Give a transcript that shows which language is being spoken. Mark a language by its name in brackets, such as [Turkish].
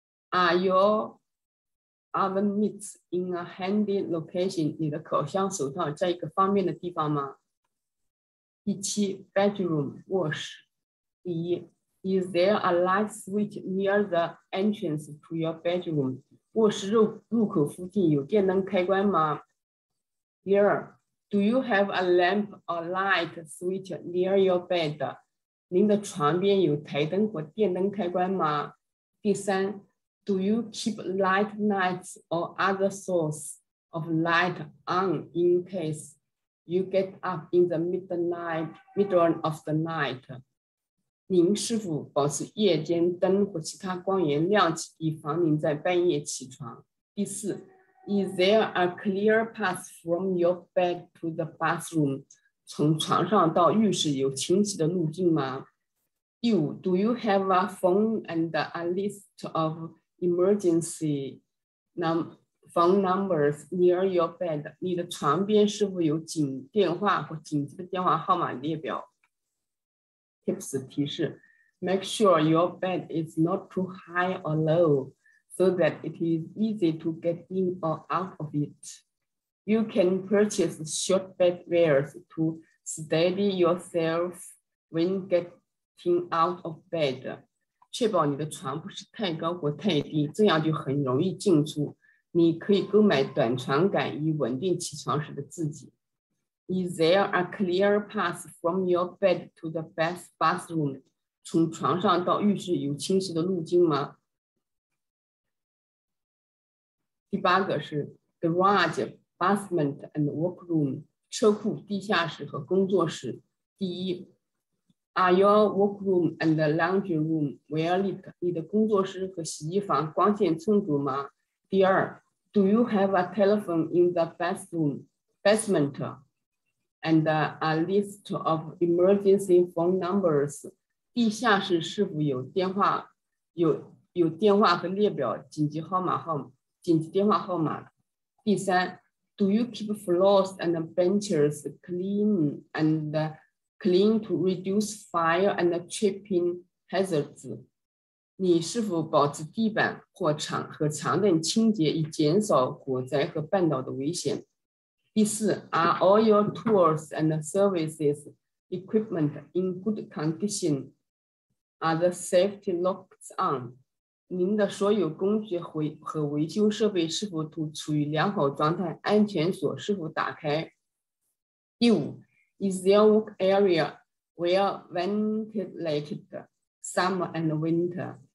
[English] Are your oven mitts in a handy location? [Chinese] 你的烤箱手套在一个方便的地方吗？第七 [English] ，bedroom [Chinese] 卧室。第一 [English] ，Is there a light switch near the entrance to your bedroom? [Chinese] 卧室入口附近有电灯开关吗？第二。 [English] Do you have a lamp or light switch near your bed? [Chinese] 您的床边有台灯或电灯开关吗？第三 [English] ，Do you keep light nights or other source of light on in case you get up in the middle of the night? [Chinese] 您是否保持夜间灯或其他光源亮起，以防您在半夜起床？第四。 [English] Is there a clear path from your bed to the bathroom? [Chinese] 从床上到浴室有清晰的路径吗？第五 [English] ，Do you have a phone and a list of emergency phone numbers near your bed? [Chinese] 你的床边是否有紧电话或紧急的电话号码列表 ？Tips 提示 ： [English] Make sure your bed is not too high or low. So that it is easy to get in or out of it. You can purchase short bed rails to steady yourself when getting out of bed. [Chinese] 确保你的床不是太高或太低，这样就很容易进出。你可以购买短床杆以稳定起床时的自己。 [English] Is there a clear path from your bed to the bathroom? [Chinese] 从床上到浴室有清晰的路径吗？第八个是 [English] garage, basement and workroom, [Chinese] 车库、地下室和工作室。第一 [English] ，Are your workroom and laundry room well lit? [Chinese] 你的工作室和洗衣房光线充足吗？第二 [English] ，Do you have a telephone in the basement and a list of emergency phone numbers? [Chinese] 地下室是否有电话？有电话和列表紧急电话号码。第三 [English] ，Do you keep floors and benches clean and clean to reduce fire and tripping hazards？ [Chinese] 你是否保持地板或墙和墙面清洁，以减少火灾和绊倒的危险？第四 [English] ，Are all your tools and services equipment in good condition？ Are the safety locks on？ [Chinese] 您的所有工具和维修设备是否处于良好状态？安全锁是否打开？第五 [English] ，Is there work area well ventilated summer and winter？